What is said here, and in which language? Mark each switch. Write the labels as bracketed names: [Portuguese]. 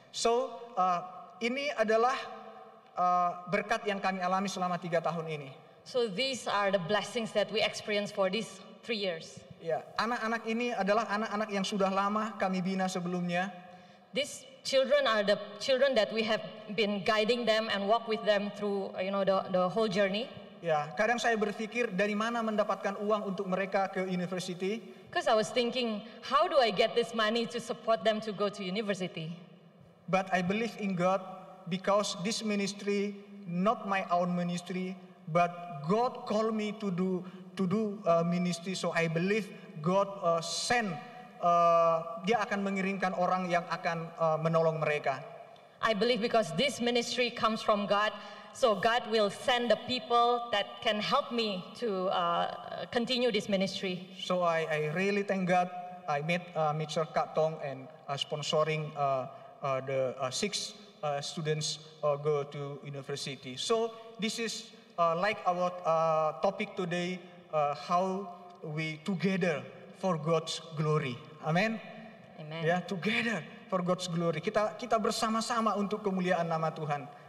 [Indonesian] So ini adalah berkat yang kami alami selama 3 tahun ini. [English] So these are the blessings that we experience for these 3 years. [Indonesian] Ya, anak-anak ini adalah anak-anak yang sudah lama kami bina sebelumnya. [English] These children are the children that we have been guiding them and walk with them through, you know, the whole journey. [Indonesian] Ya, kadang saya berpikir dari mana mendapatkan uang untuk mereka ke university. [English] Because I was thinking, how do I get this money to support them to go to university? But I believe in God, because this ministry, not my own ministry, but God called me to do ministry. So I believe God send [Indonesian] dia akan mengirimkan orang yang akan menolong mereka. [English] I believe because this ministry comes from God, so God will send the people that can help me to continue this ministry. So I really thank God I met Mr. Kak Tong and sponsoring the six students go to university. So this is like our topic today, how we together for God's glory. Amen. Amen. Yeah, together for God's glory. [Indonesian] Kita bersama-sama untuk kemuliaan nama Tuhan.